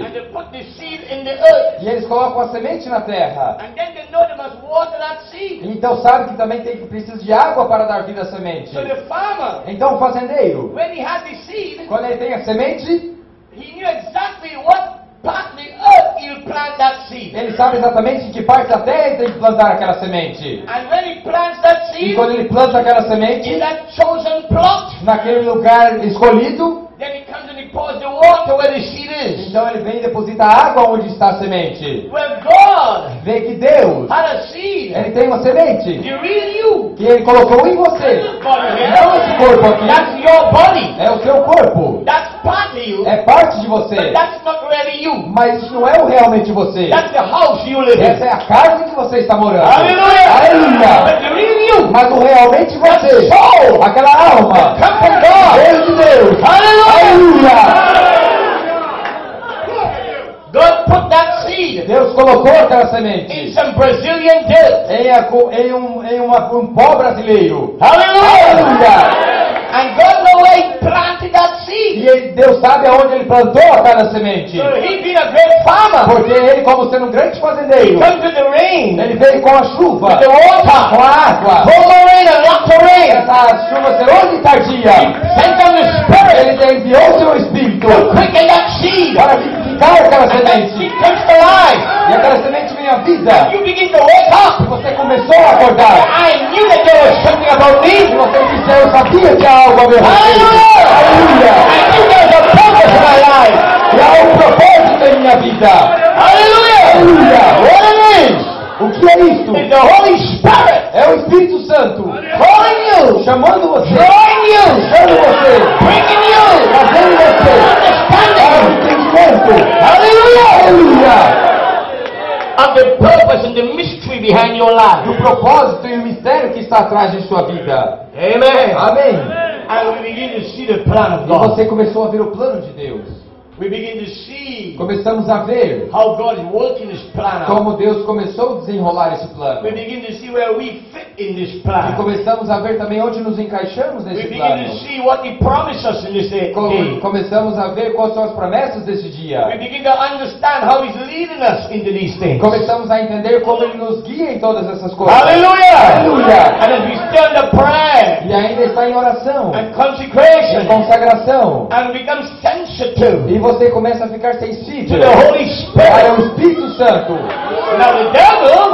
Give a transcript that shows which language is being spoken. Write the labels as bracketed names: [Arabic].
[English] And they put the seed in the earth. [Portuguese] E eles colocam a semente na terra. [English] And then they know they must water that seed. [Portuguese] Então sabe que também tem que precisa de água para dar vida à semente. [English] So the farmer, [Portuguese] então o fazendeiro. [English] When he has the seed, [Portuguese] quando ele tem a semente. [English] He knew exactly what part of the earth he'll plant that seed. [Portuguese] Ele sabe exatamente em que parte da terra ele tem que plantar aquela semente. [English] And when he plants that seed, [Portuguese] e quando ele planta aquela semente, [English] in that chosen plot, [Portuguese] naquele lugar escolhido, [English] then he comes and he pours the water where the seed is. [Portuguese] Então ele vem e deposita a água onde está a semente. [English] Where God, [Portuguese] vê que Deus, [English] had a seed, [Portuguese] ele tem uma semente, [English] he really you, [Portuguese] que ele colocou em você. Não esse corpo aqui. [English] That's your body. [Portuguese] É o seu corpo. [English] That's part of you, [Portuguese] é parte de você. [English] But that's not really you. [Portuguese] Mas isso não é o realmente você. [English] That's the house you live in. [Portuguese] Essa é a casa que você está morando. Aleluia! Aleluia! [English] But the real you, [Portuguese] mas o realmente você. [English] That's soul, [Portuguese] aquela alma. [English] Come from God. [Portuguese] Deus de Deus. Aleluia! Aleluia! [English] God put that seed. [Portuguese] Deus colocou aquela semente. [English] In some Brazilian dirt. [Portuguese] Em um pó brasileiro. Aleluia! [English] And God knows where he planted that seed. [Portuguese] E Deus sabe aonde ele plantou aquela semente. [English] So he being a great farmer. [Portuguese] Porque ele, como sendo um grande fazendeiro, [English] he come to the rain. [Portuguese] Ele veio com a chuva. [English] With the water. [Portuguese] Com a água. [English] Pour the rain and not the rain. [Portuguese] Essa chuva serão de tardia. [English] He sent down the Spirit. [Portuguese] Ele enviou seu Espírito. [English] To quicken that seed. [Portuguese] Para vivificar aquela [English] and [Portuguese] semente. [English] That seed comes to life. [Portuguese] E aquela semente vem à vida. [English] And you begin to wake up. [Portuguese] Você começou a acordar. [English] I knew that there was something about me. [Portuguese] E você disse, eu sabia que algo. Aleluia! Aleluia! [English] I think there's a purpose in my life. [Portuguese] E há um propósito em minha vida. Aleluia! Aleluia! [English] What it is? [Portuguese] O que é isso? [English] It's the Holy Spirit. [Portuguese] É o Espírito Santo. [English] Calling you. [Portuguese] Chamando você. [English] Drawing you. [Portuguese] Chamando você. [English] Bringing you. [Portuguese] Trazendo você. [English] Understanding. [Portuguese] Para o entendimento. [English] the purpose and the mystery behind your life. [Portuguese] O propósito e o mistério que está atrás de sua vida. [English] Amen. [Portuguese] Amém. [English] And we begin to see the plan of God. [Portuguese] E você começou a ver o plano de Deus. [English] We begin to see. [Portuguese] Começamos a ver [English] how God is working this plan. [Portuguese] Como Deus começou a desenrolar esse plano. [English] We begin to see where we fit in this plan. [Portuguese] E começamos a ver também onde nos encaixamos nesse plano. [English] We begin to see what He promised us in this day. [Portuguese] Começamos a ver quais são as promessas desse dia. [English] We begin to understand how He's leading us into these things. [Portuguese] Começamos a entender como Ele nos guia em todas essas coisas. Aleluia! Aleluia! [English] And as we stand in prayer. [Portuguese] E ainda está em oração. [English] And consecration. [Portuguese] E consagração. [English] And become sensitive. [Portuguese] E você começa a ficar sensível [English] to the Holy Spirit. [Portuguese] Para o Espírito Santo. [English] Now, the devil,